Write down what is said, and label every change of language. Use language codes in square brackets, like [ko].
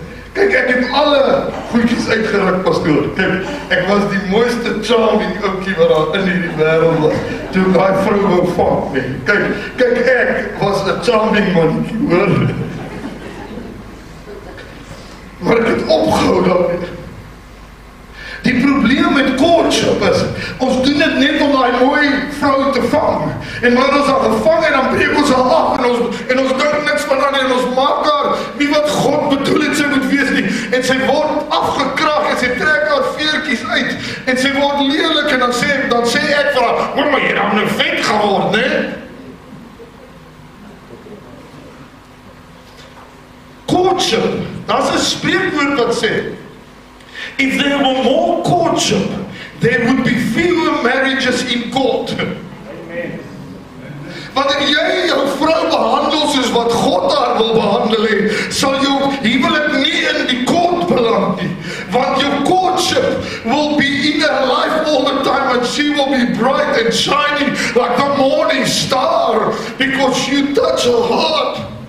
[af] Kijk, ek het alle goedjies uitgerik, pastoor. Ek was die mooiste charming oukie wat daar in die wereld was, toe ek die vrou wou vang. Nee. Kijk, ek was een charming mannetjie, hoor. Maar ek het opgehou daarmee. Die probleem met courtship is, ons doen dit net om die mooie vrou te vang. En wanneer ons haar gevang en dan breek ons haar af en ons doen niks van haar en ons maak haar nie wat God bedoel het sy moet wees nie. En sy word afgekraag en sy trek haar veertjies uit en sy word lelik en dan sê ek vir haar, hoor maar jy nou vet geword, ne? [en] Courtship, [af] dat is een spreekwoord wat sê, [en] if there were more courtship, there would be fewer marriages in court. [af] Wanneer jy jou vrou behandel soos wat God haar wil behandel he, sal jou huwelik nie in die court beland nie. Want jou [en] courtship will be in her life all the time and she will be bright and shining like the morning star because you touch her heart.